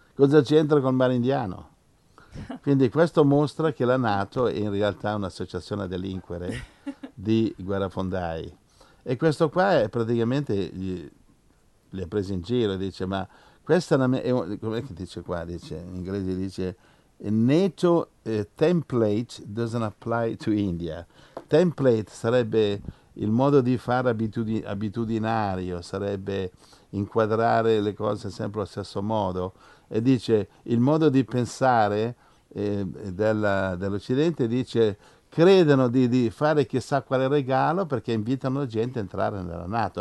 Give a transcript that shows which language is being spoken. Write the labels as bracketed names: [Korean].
[Italian] Cosa c'entra col mare indiano? Quindi questo mostra che la NATO è in realtà un'associazione a delinquere di guerrafondai. E questo qua è praticamente, li ha presi in giro, dice, ma questa com'è che dice qua? Dice, in inglese dice... [English] NATO template doesn't apply to India. [Italian] Template sarebbe il modo di fare abitudinario, sarebbe inquadrare le cose sempre allo stesso modo. E dice, il modo di pensare dell'Occidente, dice, credono di fare chissà quale regalo perché invitano la gente a entrare nella NATO.